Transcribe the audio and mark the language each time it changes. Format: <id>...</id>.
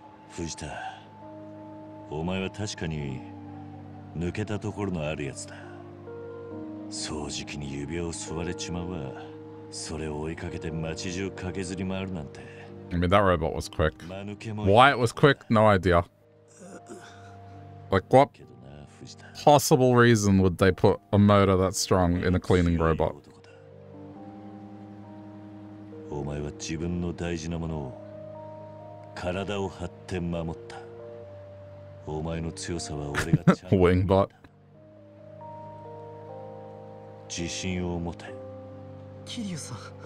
<ja>藤田、お前は確かに抜けたところのあるやつだ。掃除機に指輪を吸われちまうわ。それを追いかけて街中駆けずり回るなんて。</ja> <en>I mean, that robot was quick. Why it was quick? No idea. Like, what possible reason would they put a motor that strong in a cleaning robot?</en> <ja>お前は自分の大事なものを体を張って守った。お前の強さは俺がちゃんと…ウィングバット自信を持て。キリュウさん、</ja>